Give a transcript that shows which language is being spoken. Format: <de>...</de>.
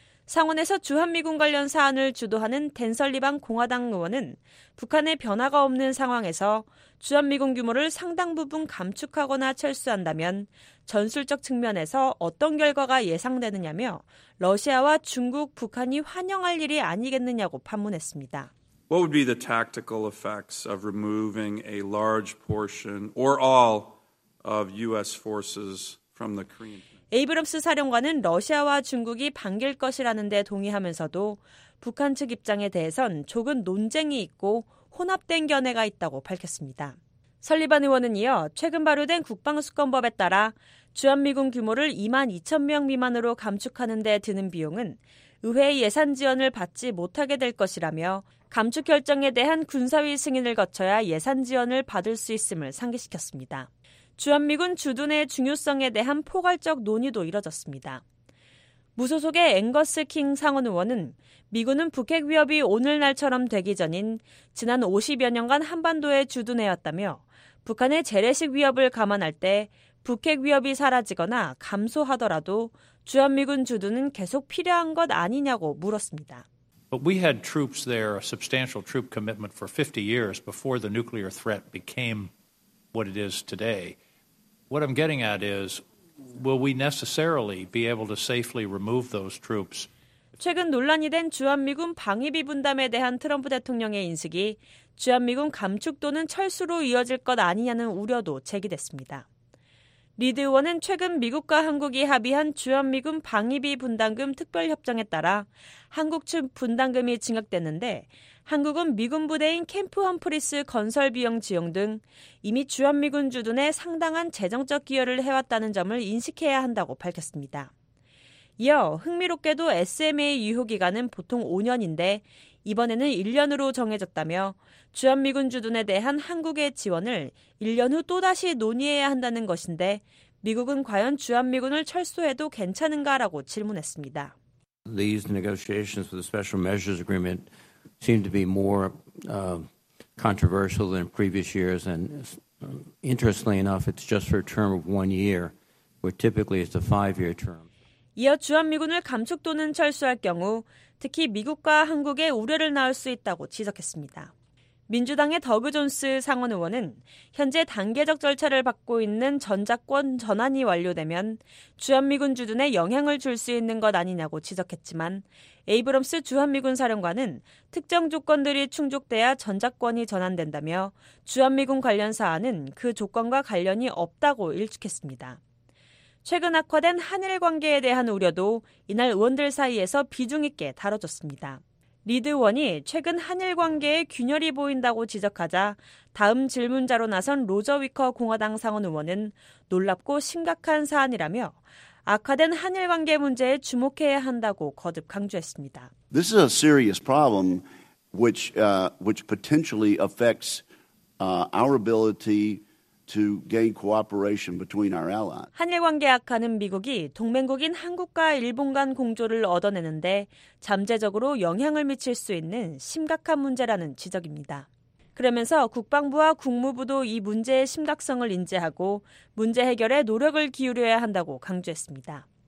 <ko>상원에서 주한미군 관련 사안을 주도하는 댄 설리반 공화당 의원은 북한의 변화가 없는 상황에서 주한미군 규모를 상당 부분 감축하거나 철수한다면 전술적 측면에서 어떤 결과가 예상되느냐며 러시아와 중국, 북한이 환영할 일이 아니겠느냐고 반문했습니다.</ko> <en>What would be the tactical effects of removing a large portion or all of U.S. forces from the Korean?</en> <ko>에이브럼스 사령관은 러시아와 중국이 반길 것이라는 데 동의하면서도 북한 측 입장에 대해선 조금 논쟁이 있고 혼합된 견해가 있다고 밝혔습니다. 설리반 의원은 이어 최근 발효된 국방수권법에 따라 주한미군 규모를 2만 2천 명 미만으로 감축하는 데 드는 비용은 의회의 예산 지원을 받지 못하게 될 것이라며 감축 결정에 대한 군사위 승인을 거쳐야 예산 지원을 받을 수 있음을 상기시켰습니다. 주한미군 주둔의 중요성에 대한 포괄적 논의도 이뤄졌습니다. 무소속의 앵거스 킹 상원 의원은 미군은 북핵 위협이 오늘날처럼 되기 전인 지난 50여 년간 한반도에 주둔해왔다며 북한의 재래식 위협을 감안할 때 북핵 위협이 사라지거나 감소하더라도 주한미군 주둔은 계속 필요한 것 아니냐고 물었습니다.</ko> <en>But we had troops there, a substantial troop commitment for 50 years before the nuclear threat became what it is today. What I'm getting at is, will we necessarily be able to safely remove those troops?</en> <ko>최근 논란이 된 주한미군 방위비 분담에 대한 트럼프 대통령의 인식이 주한미군 감축 또는 철수로 이어질 것 아니냐는 우려도 제기됐습니다. 리드 의원은 최근 미국과 한국이 합의한 주한미군 방위비 분담금 특별협정에 따라 한국 측 분담금이 증액됐는데 한국은 미군 부대인 캠프 험프리스 건설 비용 지원 등 이미 주한미군 주둔에 상당한 재정적 기여를 해왔다는 점을 인식해야 한다고 밝혔습니다. 이어 흥미롭게도 SMA 유효기간은 보통 5년인데 이번에는 1년으로 정해졌다며 주한미군 주둔에 대한 한국의 지원을 1년 후 또다시 논의해야 한다는 것인데 미국은 과연 주한미군을 철수해도 괜찮은가라고 질문했습니다.</ko> <en>These negotiations for the special measures agreement seem to be more controversial than previous years. And interestingly enough, it's just for a term of one year, where typically it's a five-year term.</en> <ko>이어 주한미군을 감축 또는 철수할 경우 특히 미국과 한국에 우려를 낳을 수 있다고 지적했습니다. 민주당의 더그 존스 상원 의원은 현재 단계적 절차를 받고 있는 전작권 전환이 완료되면 주한미군 주둔에 영향을 줄 수 있는 것 아니냐고 지적했지만 에이브럼스 주한미군 사령관은 특정 조건들이 충족돼야 전작권이 전환된다며 주한미군 관련 사안은 그 조건과 관련이 없다고 일축했습니다. 최근 악화된 한일 관계에 대한 우려도 이날 의원들 사이에서 비중 있게 다뤄졌습니다. 리드 의원이 최근 한일 관계에 균열이 보인다고 지적하자 다음 질문자로 나선 로저 위커 공화당 상원 의원은 놀랍고 심각한 사안이라며 악화된 한일 관계 문제에 주목해야 한다고 거듭 강조했습니다.</ko> <en>This is a serious problem which potentially affects our ability to gain cooperation between our allies.</en> <ko>한일 관계 악화는 미국이 동맹국인 한국과 일본 간 공조를 얻어내는데 잠재적으로 영향을 미칠 수 있는 심각한 문제라는 지적입니다. 그러면서 국방부와 국무부도 이 문제의 심각성을 인지하고 문제 해결에 노력을 기울여야 한다고 강조했습니다.</ko>